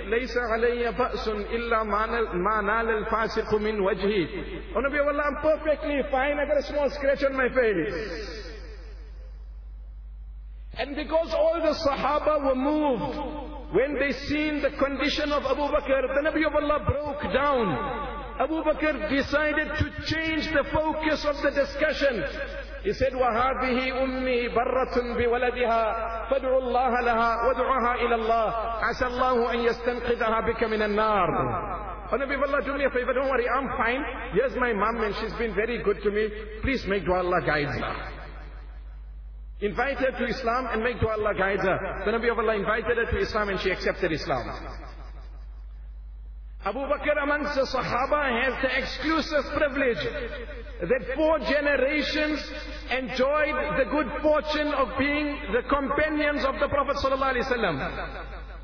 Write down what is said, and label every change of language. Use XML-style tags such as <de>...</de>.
<ar>لَيْسَ عَلَيَّ بَأْسٌ إِلَّا مَا نَالَ الْفَاسِقُ مِنْ وَجْهِ</ar> <en>Oh Nabi of Allah, I'm perfectly fine. I got a small scratch on my face. And because all the Sahaba were moved, when they seen the condition of Abu Bakr, the Nabi of Allah broke down. Abu Bakr decided to change the focus of the discussion.</en> <ar>He said, وَهَذِهِ أُمِّي بَرَّةٌ بِوَلَدِهَا فَدْعُوا اللَّهَ لَهَا وَدْعُوهَا إِلَى اللَّهِ عَسَى اللَّهُ أَنْ يَسْتَنْقِذَهَا بِكَ مِنَ النَّارِ</ar> <en>Oh Nabi of Allah, do me a favor, don't worry, I'm fine. Here's my mom and she's been very good to me. Please make dua Allah guide her. Invite her to Islam and make dua Allah guide her. The Nabi of Allah invited her to Islam and she accepted Islam. Abu Bakr amongst the Sahaba has the exclusive privilege that four generations enjoyed the good fortune of being the companions of the Prophet sallallahu alaihi wasallam.</en>